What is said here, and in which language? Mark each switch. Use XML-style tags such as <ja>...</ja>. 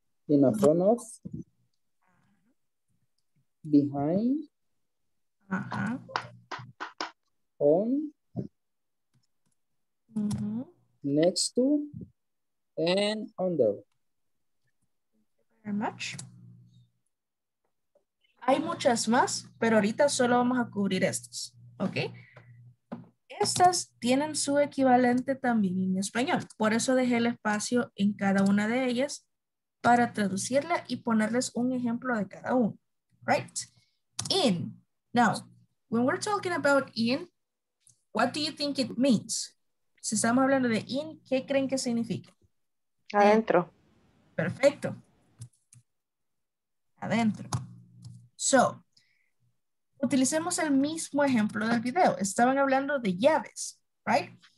<en>In front of, behind, on, next to, and under. Thank you very much.</en> <es>Hay muchas más, pero ahorita solo vamos a cubrir estas, ¿ok? Estas tienen su equivalente también en español. Por eso dejé el espacio en cada una de ellas para traducirla y ponerles un ejemplo de cada uno, right?</es> <en>In. Now, when we're talking about in, what do you think it means?</en> <es>Si estamos hablando de in, ¿qué creen que significa? Adentro. Perfecto. Adentro. So, utilicemos el mismo ejemplo del video. Estaban hablando de llaves, right?</es>